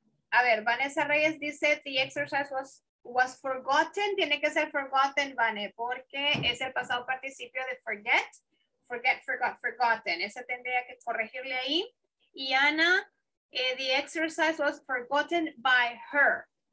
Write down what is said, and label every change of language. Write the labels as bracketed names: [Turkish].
[English] A ver, Vanessa Reyes dice the exercise was forgotten. [Spanish] Tiene que ser forgotten, Vane, porque es el pasado participio de forget. Forget, forgot, forgotten. Esa tendría que corregirle ahí. [English] Y Ana, the exercise was forgotten by her.